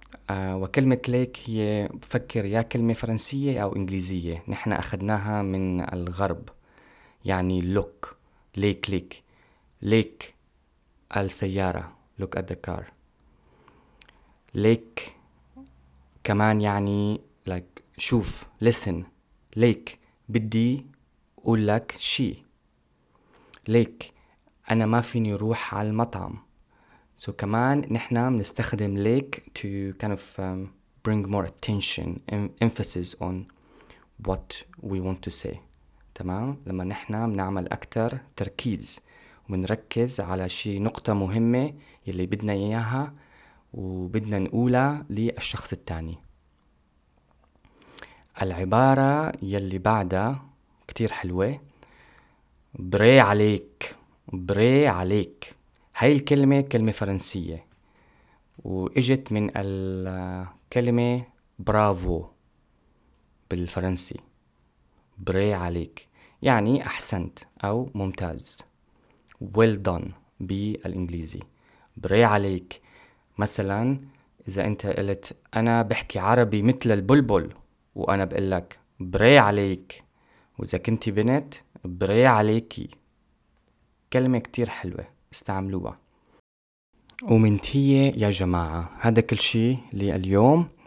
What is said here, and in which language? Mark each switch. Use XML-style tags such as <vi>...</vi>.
<ar>وكلمة ليك هي بفكر يا كلمة فرنسية أو إنجليزية، نحن أخذناها من الغرب، يعني look ليك ليك ليك السيارة</ar> <en>look at the car.</en> <ar>ليك كمان يعني like شوف listen ليك بدي أقول لك شي. ليك أنا ما فيني روح على المطعم.</ar> <en>So</en> <ar>كمان نحنا منستخدم ليك</ar> <en>to kind of bring more attention, emphasis on what we want to say.</en> <ar>تمام؟ لما نحنا منعمل أكتر تركيز ومنركز على شي نقطة مهمة يلي بدنا إياها وبدنا نقولها للشخص التاني. العبارة يلي بعدها كتير حلوة. بري عليك. بري عليك. هاي الكلمة كلمة فرنسية. واجت من الكلمة برافو بالفرنسي. بري عليك. يعني احسنت او ممتاز.</ar> <en>Well done</en> <ar>بالانجليزي. بري عليك. مثلا اذا انت قلت انا بحكي عربي مثل البلبل. وانا بقول لك بري عليك. واذا كنتي بنت بري عليكي. كلمة كتير حلوة استعملوها. ومنتية يا جماعة هذا كل شيء لليوم.</ar>